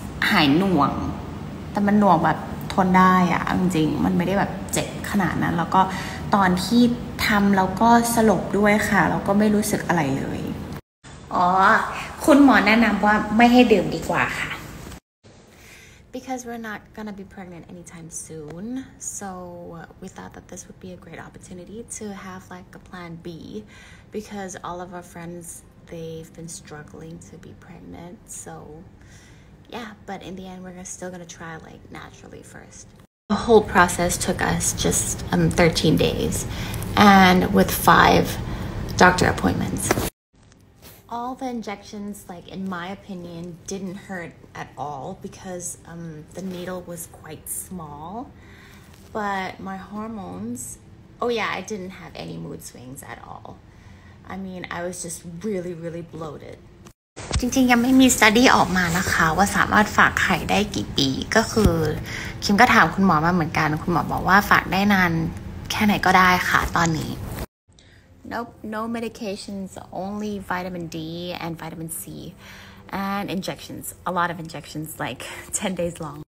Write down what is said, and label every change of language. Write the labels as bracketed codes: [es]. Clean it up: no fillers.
[th] หายหน่วงแต่มันหน่วงแบบทนได้อะจริงๆมันไม่ได้แบบเจ็บขนาดนั้นแล้วก็ตอนที่ทำแล้วก็สลบด้วยค่ะแล้วก็ไม่รู้สึกอะไรเลยอ๋อคุณหมอแนะนำว่าไม่ให้ดื่มดีกว่าค่ะ [en] Because we're not gonna be pregnant anytime soon, so we thought that this would be a great opportunity to have like a plan B, because all of our friends, they've been struggling to be pregnant, so yeah, but in the end, we're still gonna try like naturally first. The whole process took us just 13 days, and with 5 doctor appointments. All the injections, like in my opinion, didn't hurt at all because the needle was quite small. But my hormones, oh yeah, I didn't have any mood swings at all. I mean, I was just really, really bloated. [th] จริงๆยังไม่มีสตัดดี้ออกมานะคะว่าสามารถฝากไข่ได้กี่ปีก็คือคิมก็ถามคุณหมอมาเหมือนกันคุณหมอบอกว่าฝากได้นานแค่ไหนก็ได้ค่ะตอนนี้ [en] Nope, no medications, only vitamin D and vitamin C, and injections, a lot of injections, like 10 days long.